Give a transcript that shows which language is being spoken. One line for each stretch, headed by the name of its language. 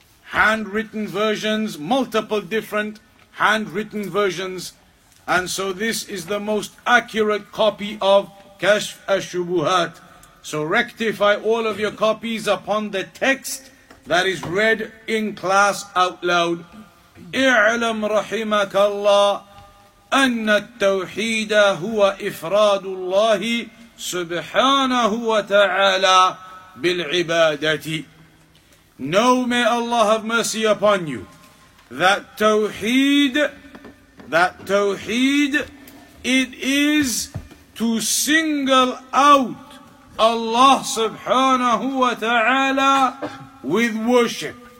English: Handwritten versions, multiple different handwritten versions. And so this is the most accurate copy of Kashf al-Shubuhat. So rectify all of your copies upon the text that is read in class out loud.
Arabic: اعلم رحمك الله أن التوحيد هو إفراد الله سبحانه وتعالى بالعبادة.
English: Know, may Allah have mercy upon you, that tawheed, it is to single out Allah subhanahu wa ta'ala with worship.